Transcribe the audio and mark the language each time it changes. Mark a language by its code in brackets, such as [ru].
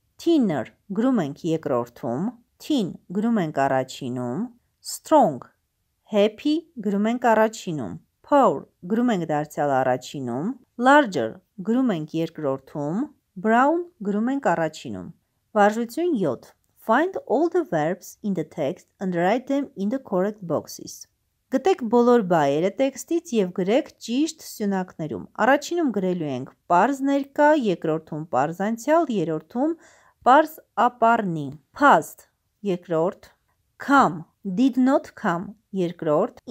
[hy] Thinner, գրում ենք երկրորդում. Thin, գրում ենք առաջինում. Strong, happy, գրում ենք առաջինում. Poor, գրում ենք դարձյալ առաջինում. Larger, գրում ենք երկրորդում. Brown, գրում ենք առաջինում. Վարժություն 7. [en] Find all the verbs in the text and write them in the correct boxes. [hy] Գտեք բոլոր բայերը տեքստից և գրեք ճիշտ սյունակներում. Առաջինում գրելու ենք պարզ ներկա, երկրորդում պարզ անցյալ, երրորդում պարզ ապառնի. Past, երկրորդ. Come, did not come, երկրորդ.